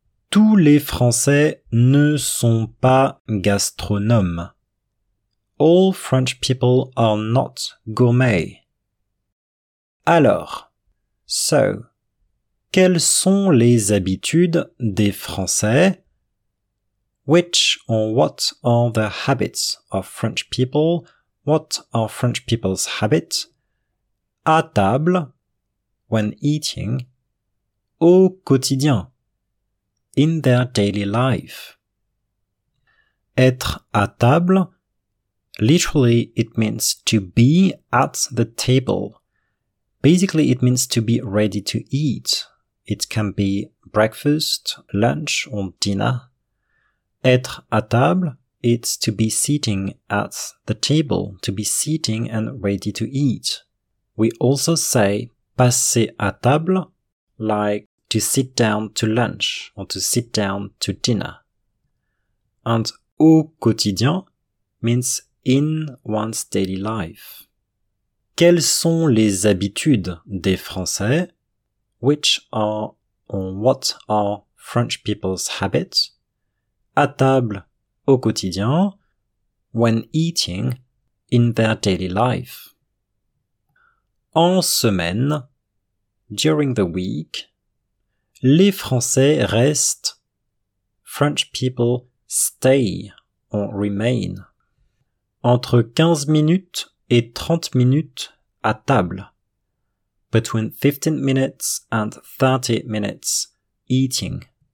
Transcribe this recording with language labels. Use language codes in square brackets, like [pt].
[fr] Tous les Français ne sont pas gastronomes. [en] All French people are not gourmet. [fr] Alors, so, quelles sont les habitudes des Français? [en] Which or what are the habits of French people? What are French people's habits? [fr] À table, [en] when eating, [fr] au quotidien, [en] in their daily life. [fr] Être à table, [en] literally it means to be at the table. Basically it means to be ready to eat. It can be breakfast, lunch or dinner. [fr] Être à table, [en] it's to be sitting at the table, to be sitting and ready to eat. We also say [fr] passer à table, [en] like to sit down to lunch or to sit down to dinner. And [fr] au quotidien [en] means in one's daily life. [fr] Quelles sont les habitudes des Français? [en] Which are or what are French people's habits? [fr] À table, au quotidien, [en] when eating, in their daily life. [fr] En semaine, [en] during the week, [fr] les Français restent, [en] French people stay or remain, [fr] entre 15 minutes et 30 minutes à table, [en] between 15 minutes and 30 minutes eating.